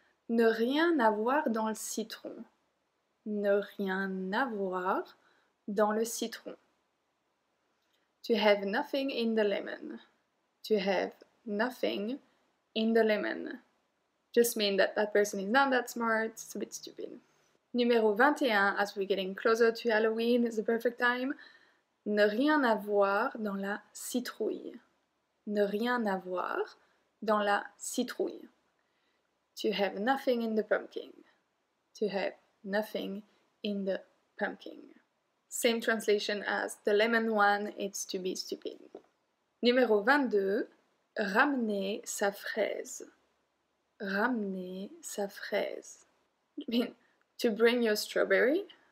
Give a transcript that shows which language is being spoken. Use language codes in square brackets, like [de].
[fr] Ne rien avoir dans le citron. Ne rien avoir dans le citron. [en] To have nothing in the lemon. To have nothing in the lemon. Just mean that that person is not that smart, it's a bit stupid. Numéro 21, as we're getting closer to Halloween, is the perfect time. [fr] Ne rien avoir dans la citrouille. Ne rien avoir dans la citrouille. [en] To have nothing in the pumpkin. To have nothing in the pumpkin. Same translation as the lemon one, it's to be stupid. [fr] Numéro 22, ramener sa fraise. Ramener sa fraise. [en] I mean, to bring your strawberry.